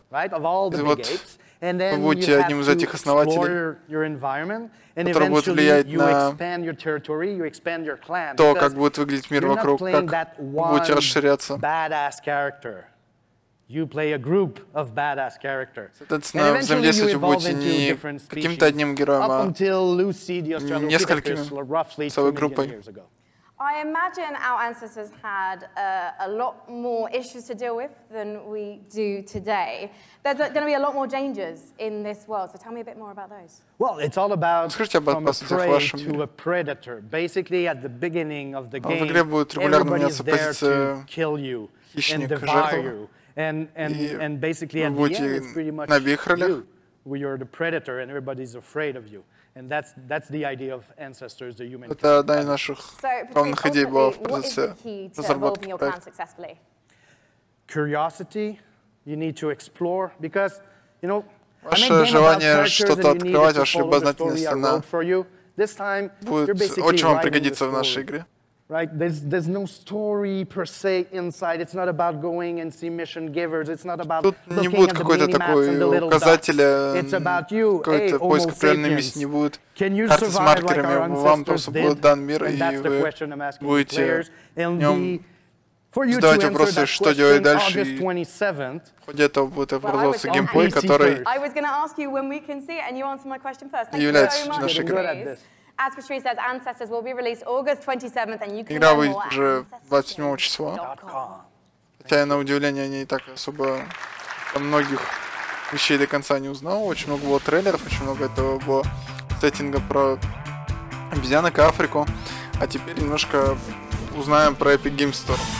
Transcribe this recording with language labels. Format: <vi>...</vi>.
<ru>И вот вы будете одним из этих основателей, который будет влиять на то, как будет выглядеть мир вокруг, как вы будете расширяться. Соответственно, взаимодействовать вы будете не каким-то одним героем, а несколькими целой группой.</ru> <en>I imagine our ancestors had a lot more issues to deal with than we do today. There's going to be a lot more dangers in this world, so tell me a bit more about those. Well, it's all about from a prey to a predator. Basically, at the beginning of the game, everybody is there to kill you and devour you. And basically, at the end, it's pretty much you. You're the predator and everybody's afraid of you. And that's the idea of ancestors, the human.</en> <ru>Это одна из наших главных идей была в процессе разработки проекта.</ru> <en>Curiosity, you need to explore because, you know,</en> <ru>ваше желание что-то открывать, ваша любознательность, она будет очень вам пригодиться в нашей игре.</ru> <en>Right, there's no story per se inside. It's not about going and see mission givers. It's not about looking at the mini maps and the little dots. It's about you.</en> <ru>Какой-то поиск определенной миссии не будет.</ru> <en>Can you survive like our ancestors did?</en> <ru>Вам просто будет дан мир, и вы будете в нем задавать вопросы, что делать дальше. И в ходе этого будет образовываться геймплей, который является нашей игрой.</ru> <en>As Patrice says, Ancestors will be released August 27th, and you can</en> <ru>Игра</ru> <en>learn more at ancestors.com.</en> <ru>Хотя я, на удивление, не так особо о многих вещей до конца не узнал. Очень много было трейлеров, очень много этого было сеттинга про обезьянок и Африку. А теперь немножко узнаем про Epic Games Store.</ru>